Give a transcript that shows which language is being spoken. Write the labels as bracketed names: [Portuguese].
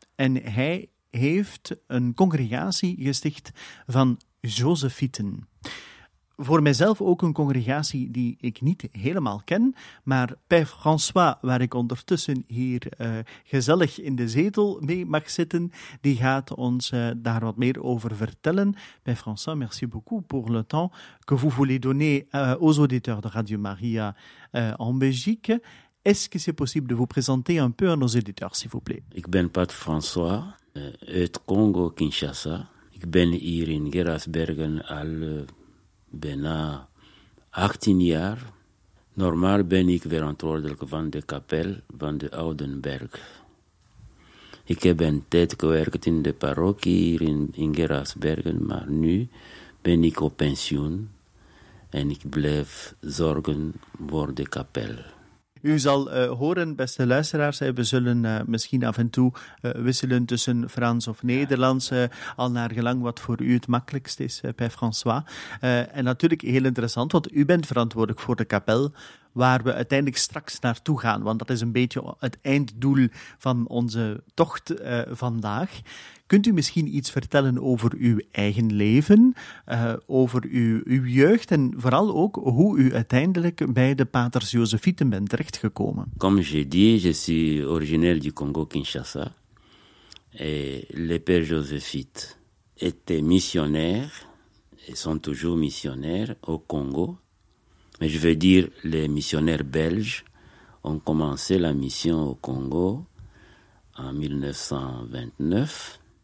[Dutch] En hij heeft een congregatie gesticht van Jozefieten. Voor mijzelf ook een congregatie die ik niet helemaal ken, maar Père François, waar ik ondertussen hier gezellig in de zetel mee mag zitten, die gaat ons daar wat meer over vertellen. [French] Père François, merci beaucoup pour le temps que vous voulez donner aux auditeurs de Radio Maria en Belgique. Est-ce que c'est possible de vous présenter un peu à nos auditeurs, s'il vous plaît? [Dutch] Ik ben Père François, uit Congo, Kinshasa. Ik ben hier in Gerardsbergen al bijna 18 jaar. Normaal ben ik verantwoordelijk van de kapel van de Oudenberg. Ik heb een tijd gewerkt in de parochie hier in Gerardsbergen, maar nu ben ik op pensioen en ik blijf zorgen voor de kapel. U zal horen, beste luisteraars, we zullen misschien af en toe wisselen tussen Frans of Nederlands, al naar gelang wat voor u het makkelijkst is, Père François. En natuurlijk heel interessant, want u bent verantwoordelijk voor de kapel waar we uiteindelijk straks naartoe gaan, want dat is een beetje het einddoel van onze tocht vandaag. Kunt u misschien iets vertellen over uw eigen leven, over uw jeugd en vooral ook hoe u uiteindelijk bij de paters Jozefieten bent terechtgekomen? [French] Comme j'ai dit, je suis originaire du Congo Kinshasa. Et les pères Jozefites étaient missionnaires et sont toujours missionnaires au Congo. Mais je veux dire, les missionnaires belges ont commencé la mission au Congo en 1929.